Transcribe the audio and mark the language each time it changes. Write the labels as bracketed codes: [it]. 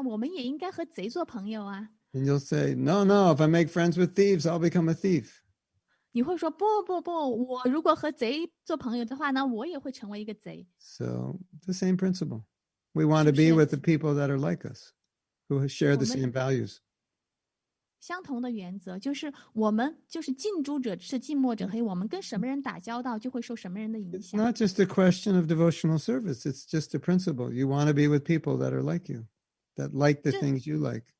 [zh] 我们要爱任何人呐，我们也应该和贼做朋友啊。 [en] And you'll say, no, no, if I make friends with thieves, I'll become a thief. [zh] 你会说,不,不,不,我如果和贼做朋友的话呢,我也会成为一个贼。 [en] So, the same principle. We want to be with the people that are like us, who share the same values. [zh] 相同的原则,就是我们,就是近朱者赤,近墨者黑,我们跟什么人打交道,就会受什么人的影响。 [en] It's not just a question of devotional service, it's just a principle. You want to be with people that are like you, that like the things you like.